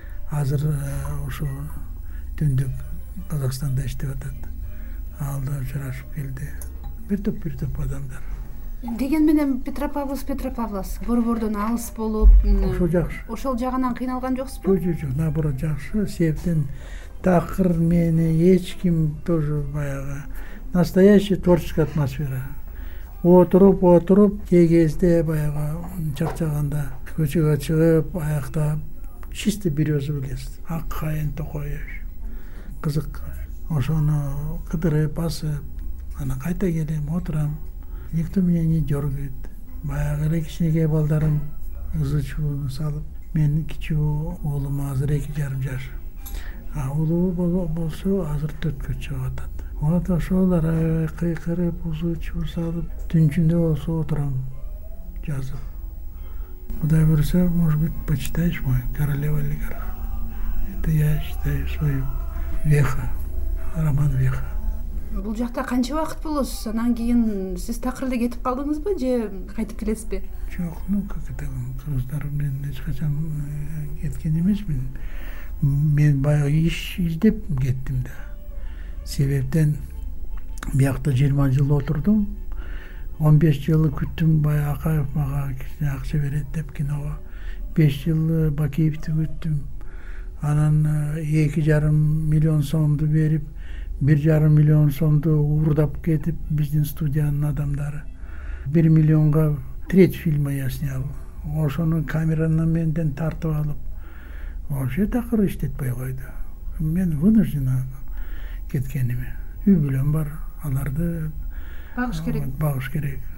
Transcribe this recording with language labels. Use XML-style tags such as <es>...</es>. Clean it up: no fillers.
<ky>Азыр ошо түндүк Казакстанда иштеп атат. Алда жарашып келди. Бир топ адамдар. Деген менен Петропавловск борбордон алыс болуп, ошо жакшы. Ошол жагынан кыйналган жоксузбу? Жок, наоборот жакшы. Себептен такыр мени эч ким тоже баягы</ky> <ru>настоящий творческий атмосфера.</ru> <ky>Отуруп, кээ кезде баягы чарчаганда көчөгө чыгып, аякта чистый бир өзү билесиз. Ак кайын токой. Кызык. Ошону кыдырып басып, анан кайта келем, отурам.</ky> <ru>Никто меня не дергает.</ru> <ky>Баягы эле кичинекей балдарым ызычууну салып, менин кичүү уулум азыр 2.5 жаш. А уулу болсо азыр 4 чыгып атат. Вот ошолар кыйкырып, ызычуу салып, түнчүндө болсо отурам жазып. Кудай буйруса,</ky> <ru>может быть, почитаешь мой «Королева олигарха». Это я считаю свою веха, роман веха.</ru> <ky>Бул жакта канча убакыт болосуз? Анан кийин сиз такыр эле кетип калдыңызбы же кайтып келесизби? Жок, ну как это, кыргыздарым менен эч качан кеткен эмесмин. Мен баягы иш издеп кеттим да. Себептен биякта 20 жыл отурдум, 15 жыл күттүм, баягы Акаев мага кичине акча берет деп киного, 5 жыл Бакиевди күттүм, анан 2.5 миллион сомду берип, 1.5 миллион сомду уурдап кетип биздин студиянын адамдары.</ky> <ru>1 миллионга треть фильма я снял.</ru> <ky>Ошону камераны менден тартып алып, вообще такыр иштетпей койду. Мен вынуждена кеткениме. Үй бүлөм бар, аларды багыш керек.</ky>